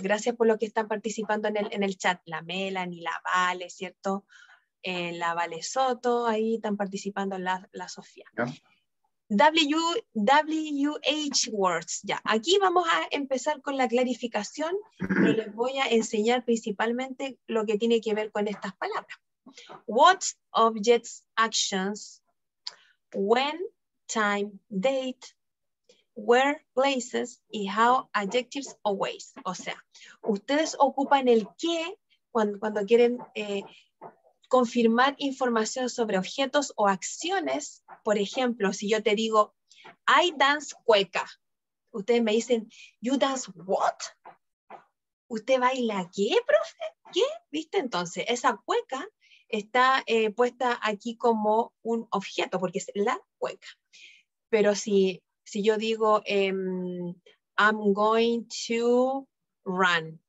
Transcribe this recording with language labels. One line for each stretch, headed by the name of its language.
Spanish: Gracias por lo que están participando en el chat. La Melanie, la Vale, ¿cierto? La Vale Soto, ahí están participando la Sofía. WH words, ya. Aquí vamos a empezar con la clarificación, pero les voy a enseñar principalmente lo que tiene que ver con estas palabras.
English: What objects, actions, when, time, date, where, places, y how adjectives or ways.
Spanish: O sea, ustedes ocupan el qué cuando quieren confirmar información sobre objetos o acciones. Por ejemplo, si yo te digo, I dance cueca. Ustedes me dicen, you dance what? ¿Usted baila qué, profe? ¿Qué? ¿Viste? Entonces, esa cueca está puesta aquí como un objeto, porque es la cueca. Pero si yo digo, I'm going to run.